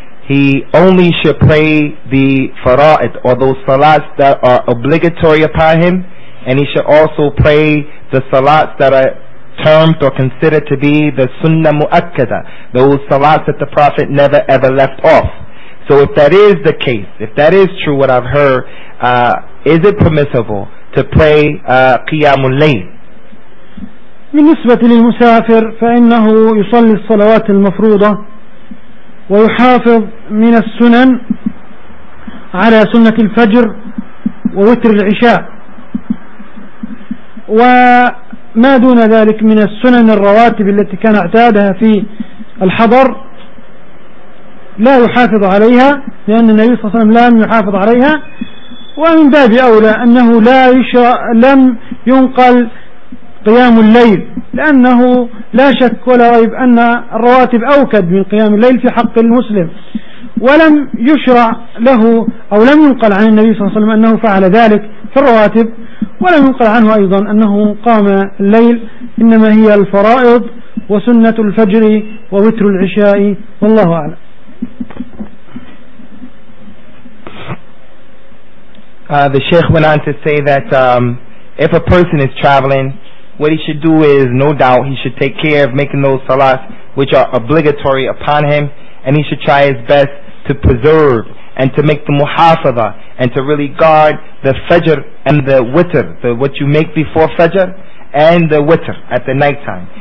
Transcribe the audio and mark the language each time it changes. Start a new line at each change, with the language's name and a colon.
English: he only should pray the fara'id, or those salats that are obligatory upon him, and he should also pray the salats that are termed or considered to be the sunnah mu'akkada, those salats that the Prophet never ever left off. So if that is the case, if that is true what I've heard, is it permissible to pray qiyamul layl?
Arabic: بالنسبة للمسافر فإنه يصلي الصلوات المفروضة ويحافظ من السنن على سنة الفجر ووتر العشاء وما دون ذلك من السنن الرواتب التي كان اعتادها في الحضر لا يحافظ عليها، لأن النبي صلى الله عليه وسلم لم يحافظ عليها، ومن باب أولى أنه لا لم ينقل قيام الليل، لأنه لا شك ولا ريب أن الرواتب أوكد من قيام الليل في حق المسلم، ولم يشرع له أو لم ينقل عن النبي صلى الله عليه وسلم أنه فعل ذلك في الرواتب، ولم ينقل عنه أيضا أنه قام الليل، إنما هي الفرائض وسنة الفجر ووتر العشاء، والله أعلم.
English: The Sheikh went on to say that if a person is traveling, what he should do is, no doubt, he should take care of making those salats which are obligatory upon him, and he should try his best to preserve and to make the muhafaza and to really guard the fajr and the witr, the what you make before fajr and the witr at the night time.